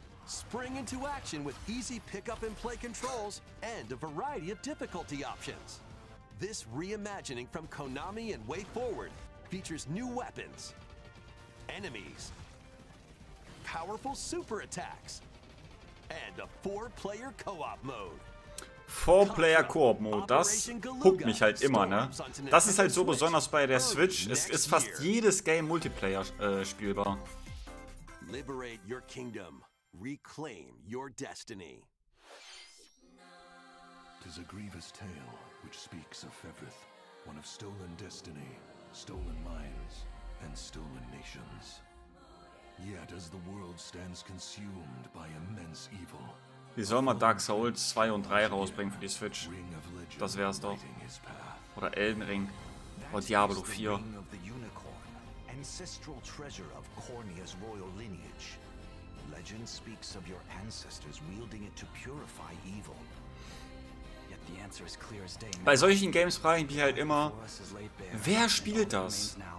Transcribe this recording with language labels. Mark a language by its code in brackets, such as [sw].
[en] Spring into action with easy pickup and play controls and a variety of difficulty options. This reimagining from Konami and Way Forward features new weapons, enemies, powerful super attacks, and a four-player co-op mode. [de] Four-Player-Koop-Mode, das huckt mich halt immer, ne? Das ist halt so besonders bei der Switch. Es ist fast jedes Game Multiplayer spielbar. [en] Liberate your kingdom. Reclaim your destiny. Tis a grievous tale which speaks of Fevrith, one of stolen destiny, stolen minds, and stolen nations. Yet as the world stands consumed by immense evil. [de] Wie soll man Dark Souls 2 und 3 rausbringen für die Switch? Das wär's doch. Oder Elden Ring. Oder Diablo 4. Das ist der Ring des [en] Unicorn, ancestral treasure of Cornia's royal lineage. Legend speaks of your ancestors wielding it to purify evil. Yet the answer is clear as day. [de] Bei solchen Games frage ich mich halt immer, wer spielt das?